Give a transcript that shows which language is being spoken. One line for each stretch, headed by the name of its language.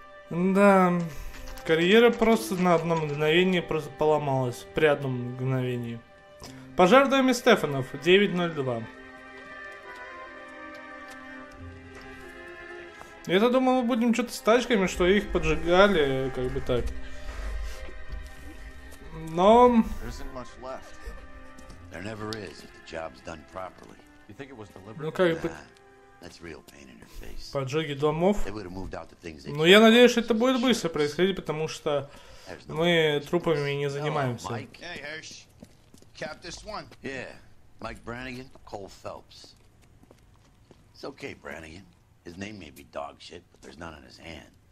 Russian: Да, карьера просто на одно мгновение просто поломалась. При одном мгновении. Пожар в доме Стефанов, 9.02. Я-то думал, мы будем что-то с тачками, что их поджигали, как бы так. Но...
English: There isn't much left. There never is, if the job's done properly. You think it was deliberate?
Russian: Ну как бы...
English: That's real pain in your face.
Russian: Поджоги домов.
English: They would have moved out the things they...
Russian: Но я надеюсь, что это будет быстро происходить, потому что мы трупами не занимаемся.
English: Hey, Mike. Hey, Hirsch. Cap this one. Yeah. Mike Brannigan, Cole Phelps. It's okay, Brannigan. His name may be dog shit, but there's none on his hand.